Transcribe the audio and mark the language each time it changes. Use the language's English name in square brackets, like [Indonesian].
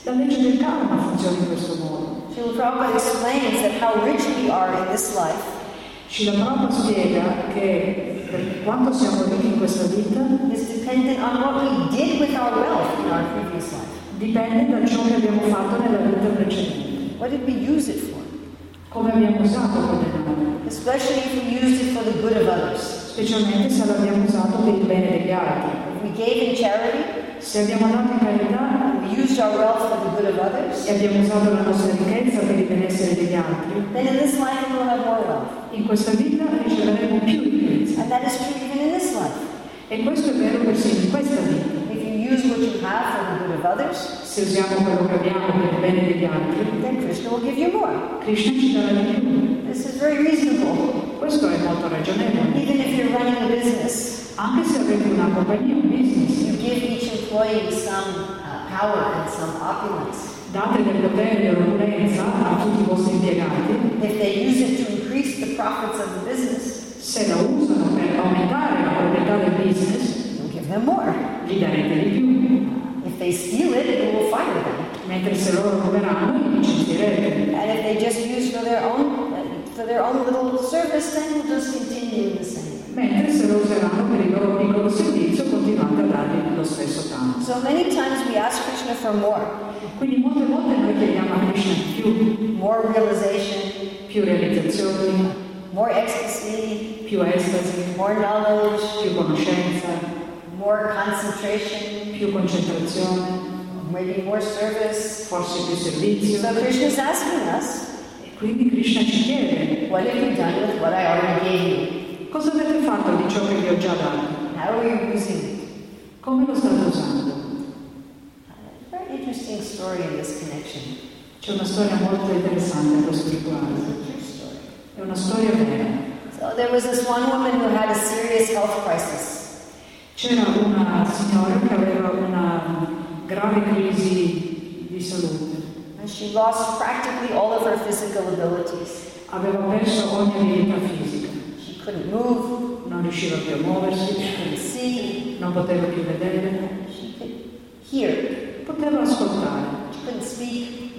[Italian] La legge del karma funziona in questo modo. [English] Srila Prabhupada explains that how rich we are in this life. [Italian] Srila Prabhupada spiega che per quanto siamo ricchi in questa vita [English] is dependent on what we did with our wealth in our previous life. [Italian] Dipende da ciò che abbiamo fatto nella vita precedente. [English] What did we use it for? [Italian] Come abbiamo usato quel denaro? [English] Especially if we used it for the good of others. [Italian] Specialmente se l'abbiamo usato per il bene degli altri. [English] We gave in charity. [Italian] Se abbiamo dato in carità, [English] we used our wealth for the good of others. [Italian] E abbiamo usato la nostra ricchezza per il benessere degli altri. [English] Then in this life we will have more wealth. [Italian] In questa vita riceveremo più ricchezza. [English] And that is true even in this life. [Italian] E questo è vero persino in questa vita. [English] If you use what you have for the good of others, [Italian] se usiamo quello che abbiamo per il bene degli altri, [English] then Krishna will give you more. [Italian] Krishna ci darà di più. [English] This is very reasonable. [Italian] Questo è molto ragionevole. [English] Even if you're running a business. [Italian] Anche se avete una compagnia, un business, [English] you give each employee some power and some opulence. [Italian] Date del potere e opulenza a tutti i vostri impiegati. [English] If they use it to increase the profits of the business, [Italian] se lo usano per aumentare la proprietà del business, [English] you give them more. [Italian] Gli darete di più. [English] If they steal it, you will fire them. [Italian] Mentre se loro ruberanno, li licenzierete. [English] And if they just use for their own little service, then you just continue the same. [Italian] Mentre se lo useranno per il loro piccolo servizio, continuando a dargli lo stesso tanto. [English] So many times we ask Krishna for more. [Italian] Quindi molte volte noi chiediamo a Krishna più. [English] More realization. [Italian] Più realizzazione. [English] More ecstasy. [Italian] Più ecstasy. [English] More knowledge. [Italian] Più conoscenza. [English] More concentration. [Italian] Più concentrazione. [English] Maybe more service. [Italian] Forse più servizio. [English] So Krishna is asking us. [Italian] E quindi Krishna ci chiede. [English] What have you done with what I already gave you? [Italian] Cosa avete fatto di ciò che vi ho già dato? [English] How are you using it? [Italian] Come lo state usando? [English] Very interesting story in this connection. [Italian] C'è una storia molto interessante a questo riguardo. È una storia vera. [English] So there was this one woman who had a serious health crisis. [Italian] C'era una signora che aveva una grave crisi di salute. [English] And she lost practically all of her physical abilities. [Italian] Aveva perso ogni abilità fisica. [English] Couldn't move. [Italian] Non riusciva più a muoversi. [English] Couldn't see. [Italian] Non poteva più vedere. [English] She could hear. [Italian] Poteva ascoltare. [English] She couldn't speak.